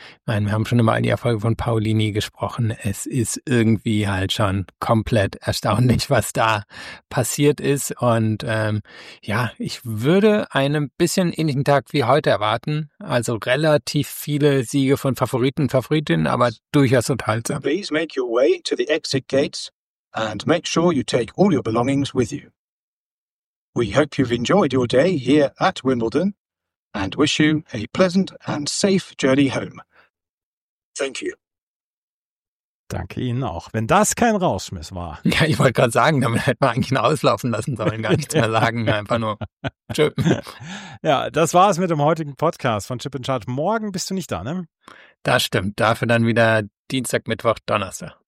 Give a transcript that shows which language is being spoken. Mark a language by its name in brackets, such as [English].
[German] Ich meine, wir haben schon immer all die Erfolge von Paolini gesprochen. Es ist irgendwie halt schon komplett erstaunlich, was da passiert ist. Und ja, ich würde einen bisschen ähnlichen Tag wie heute erwarten. Also relativ viele Siege von Favoriten und Favoritinnen, aber durchaus unterhaltsam. [English] Please make your way to the exit gates and make sure you take all your belongings with you. We hope you've enjoyed your day here at Wimbledon and wish you a pleasant and safe journey home. Thank you. [German] Danke Ihnen auch. Wenn das kein Rauschmiss war. Ja, ich wollte gerade sagen, damit hätte man eigentlich auslaufen lassen sollen, gar nichts mehr sagen, einfach nur tschö. Ja, das war es mit dem heutigen Podcast von Chip and Charge. Morgen bist du nicht da, ne? Das stimmt. Dafür dann wieder Dienstag, Mittwoch, Donnerstag.